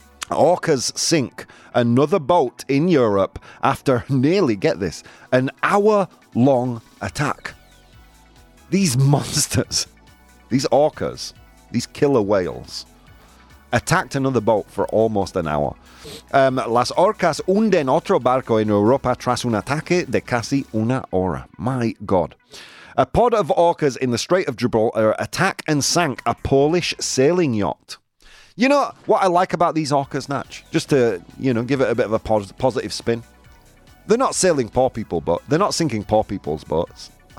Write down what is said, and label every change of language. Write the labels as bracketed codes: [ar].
[en] Orcas sink another boat in Europe after nearly, get this, an hour-long attack. These monsters, these orcas, these killer whales, attacked another boat for almost an hour. [es] Las orcas hunden otro barco en Europa tras un ataque de casi una hora. [en] My God. A pod of orcas in the Strait of Gibraltar attack and sank a Polish sailing yacht. You know what I like about these orcas, Natch? Just to, you know, give it a bit of a positive spin. They're not sailing poor people, but they're not sinking poor people's boats.